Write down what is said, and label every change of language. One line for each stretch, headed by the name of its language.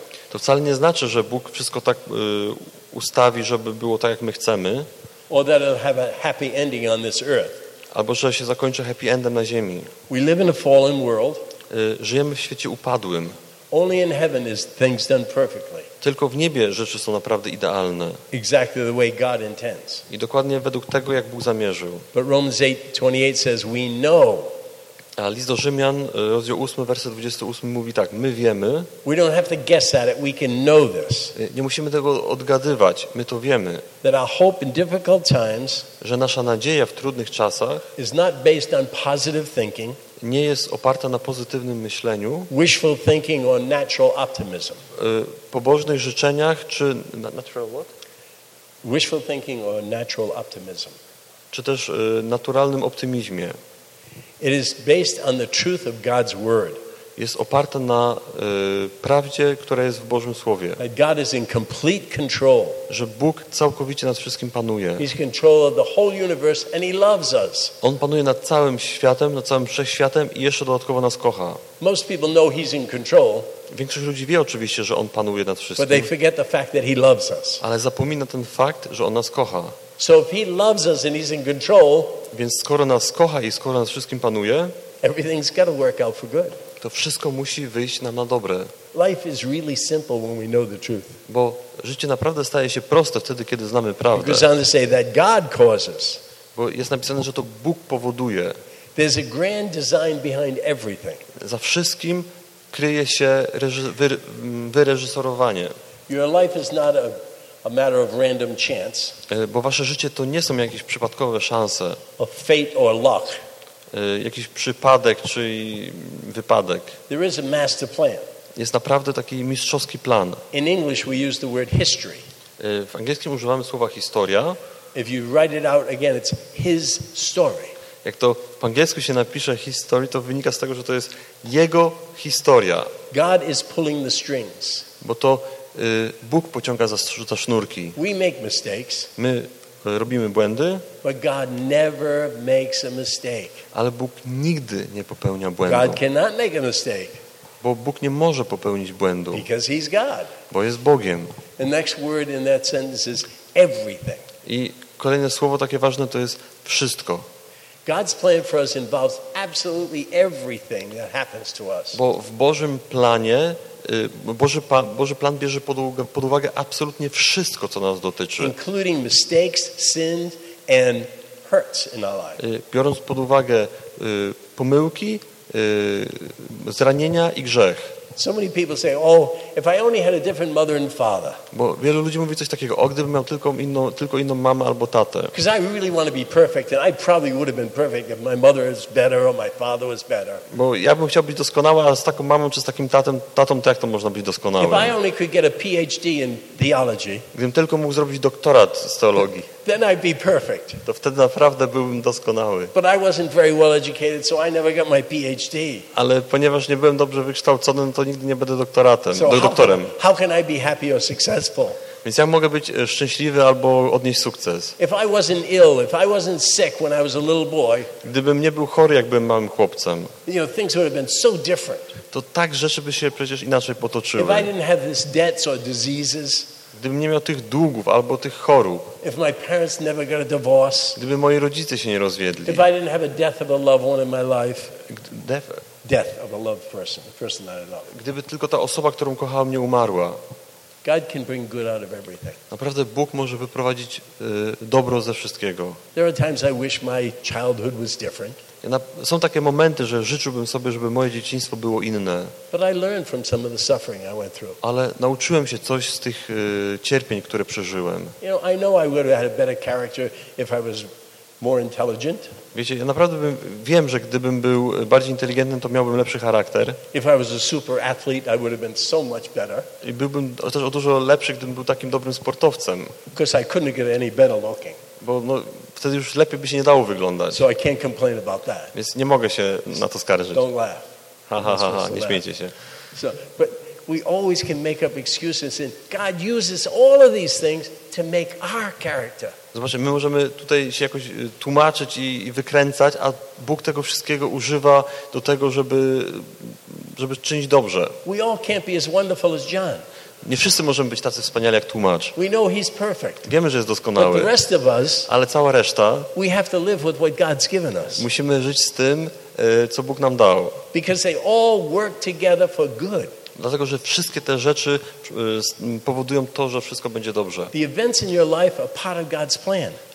Polish: To wcale nie znaczy, że Bóg wszystko tak ustawi, żeby było tak, jak my chcemy.
English: Or that it'll have a happy ending on this earth.
Polish: Albo że się zakończy happy endem na ziemi.
English: We live in a fallen world.
Polish: Żyjemy w świecie upadłym.
English: Only in heaven is things done perfectly.
Polish: Tylko w niebie rzeczy są naprawdę idealne.
English: Exactly the way God intends.
Polish: I dokładnie według tego, jak Bóg zamierzył.
English: But Romans 8:28 says we know.
Polish: A list do Rzymian, rozdział 8, werset 28 mówi tak: my wiemy.
English: We don't have to guess at it, we can know this.
Polish: Nie musimy tego odgadywać, my to wiemy.
English: That our hope in difficult times,
Polish: że nasza nadzieja w trudnych czasach,
English: is not based on positive thinking,
Polish: nie jest oparta na pozytywnym myśleniu,
English: wishful thinking or natural optimism.
Polish: Pobożnych życzeniach czy
English: natural what? Wishful thinking or natural optimism.
Polish: Czy też naturalnym optymizmie.
English: It is based on the truth of God's word.
Polish: Jest oparta na prawdzie, która jest w Bożym słowie.
English: That God is in complete control.
Polish: Że Bóg całkowicie nad wszystkim panuje.
English: He's in control of the whole universe and he loves us.
Polish: On panuje nad całym światem, nad całym wszechświatem i jeszcze dodatkowo nas kocha.
English: Most people know he's in control.
Polish: Większość ludzi wie oczywiście, że on panuje nad wszystkim.
English: But they forget the fact that he loves us.
Polish: Ale zapomina ten fakt, że on nas kocha.
English: So if he loves us and he's in control,
Polish: więc skoro nas kocha i skoro nas wszystkim panuje,
English: everything's got to work out for good.
Polish: To wszystko musi wyjść nam na dobre.
English: Life is really simple when we know the truth.
Polish: Bo życie naprawdę staje się proste wtedy, kiedy znamy prawdę.
English: It goes on to say that God causes.
Polish: Bo jest napisane, że to Bóg powoduje.
English: There's a grand design behind everything.
Polish: Za wszystkim kryje się wyreżyserowanie.
English: Your life is not a matter of random chance.
Polish: Bo wasze życie to nie są jakieś przypadkowe szanse.
English: Of fate or luck.
Polish: Jakiś przypadek czy wypadek.
English: There is a master plan.
Polish: Jest naprawdę taki mistrzowski plan.
English: In English we use the word history.
Polish: W angielskim używamy słowa historia.
English: If you write it out again, it's his story.
Polish: Jak to po angielsku się napisze history, to wynika z tego, że to jest jego historia.
English: God is pulling the strings.
Polish: Bo to Bóg pociąga za sznurki.
English: We make mistakes.
Polish: My robimy błędy.
English: But God never makes a mistake.
Polish: Ale Bóg nigdy nie popełnia błędu.
English: God cannot make a mistake.
Polish: Bo Bóg nie może popełnić błędu.
English: Because he's God.
Polish: Bo jest Bogiem.
English: The next word in that sentence is everything.
Polish: I kolejne słowo takie ważne to jest wszystko.
English: God's plan for us involves absolutely everything that happens to us.
Polish: Bo w Bożym planie Boży plan bierze pod uwagę absolutnie wszystko, co nas dotyczy.
English: Including mistakes, sins, and hurts in our life.
Polish: Biorąc pod uwagę pomyłki, zranienia i grzech.
English: So many people say, "Oh, if I only had a different mother and father."
Polish: Bo wielu ludzi mówi coś takiego: "O, gdybym miał tylko inną mamę albo tatę."
English: Because I really want to be perfect, and I probably would have been perfect if my mother was better or my father was better.
Polish: Bo ja bym chciał być doskonały, a z taką mamą czy z takim tatą, to jak to można być doskonałym?
English: If I only could get a PhD in theology.
Polish: Gdybym tylko mógł zrobić doktorat z teologii.
English: Then I'd be perfect.
Polish: To wtedy naprawdę byłbym doskonały.
English: But I wasn't very well educated, so I never got my PhD.
Polish: Ale ponieważ nie byłem dobrze wykształcony, to nigdy nie będę doktorem.
English: How can I be happy or successful?
Polish: Więc jak mogę być szczęśliwy albo odnieść sukces?
English: If I wasn't ill, if I wasn't sick when I was a little boy.
Polish: Gdybym nie był chory, jak byłem małym chłopcem.
English: You know, things would have been so different.
Polish: To tak rzeczy by się przecież inaczej potoczyły.
English: If I didn't have these debts or diseases.
Polish: Gdybym nie miał tych długów albo tych chorób.
English: If my parents never got a divorce.
Polish: Gdyby moi rodzice się nie rozwiedli.
English: If I didn't have a death of a loved one in my life. Death of a loved person, the person that I love.
Polish: Gdyby tylko ta osoba, którą kochałem, nie umarła.
English: God can bring good out of everything.
Polish: Naprawdę Bóg może wyprowadzić dobro ze wszystkiego.
English: There are times I wish my childhood was different.
Polish: Są takie momenty, że życzyłbym sobie, żeby moje dzieciństwo było inne.
English: But I learned from some of the suffering I went through.
Polish: Ale nauczyłem się coś z tych cierpień, które przeżyłem.
English: You know, I know I would have had a better character if I was more intelligent.
Polish: Wiecie, ja naprawdę wiem, że gdybym był bardziej inteligentny, to miałbym lepszy charakter.
English: If I was a super athlete, I would have been so much better.
Polish: I byłbym też o dużo lepszy, gdybym był takim dobrym sportowcem.
English: Because I couldn't get any better looking.
Polish: Bo no, wtedy już lepiej by się nie dało wyglądać.
English: So I can't complain about that.
Polish: Więc nie mogę się na to skarżyć.
English: Don't laugh.
Polish: Ha, nie śmiejcie się.
English: So, but we always can make up excuses, and God uses all of these things to make our character.
Polish: Zobaczcie, my możemy tutaj się jakoś tłumaczyć i wykręcać, a Bóg tego wszystkiego używa do tego, żeby czynić dobrze.
English: We all can't be as wonderful as John.
Polish: Nie wszyscy możemy być tacy wspaniali jak tłumacz.
English: We know he's perfect.
Polish: Wiemy, że jest doskonały.
English: But the rest of us,
Polish: ale cała reszta,
English: we have to live with what God's given us.
Polish: Musimy żyć z tym, co Bóg nam dał.
English: Because they all work together for good.
Polish: Dlatego, że wszystkie te rzeczy powodują to, że wszystko będzie dobrze.
English: The events in your life are part of God's plan.